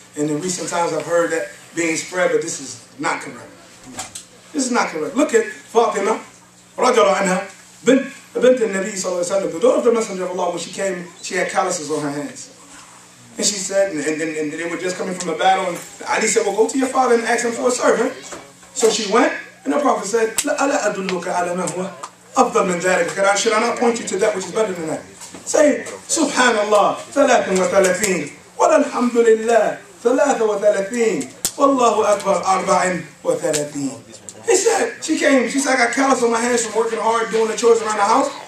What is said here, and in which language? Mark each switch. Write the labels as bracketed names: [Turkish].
[English] And in recent times, I've heard that being spread, but this is not correct. This is not correct. Look at Fatima, [Arabic] رجل عنها, بنت النبي صلى الله عليه وسلم, [English] the daughter of the Messenger of Allah, when she came, she had calluses on her hands. And she said, and they were just coming from a battle, and Ali said, well, go to your father and ask him for a servant. So she went, and the Prophet said, [Arabic] لألا أدلك على ما هو أفضل من ذلك. [English] Should I not point you to that which is better than that? Say, Subhanallah, 33. Wa alhamdulillah, 33. Wallahu Akbar, 34. He said, she came, she said, I got callus on my hands from working hard, doing the chores around the house.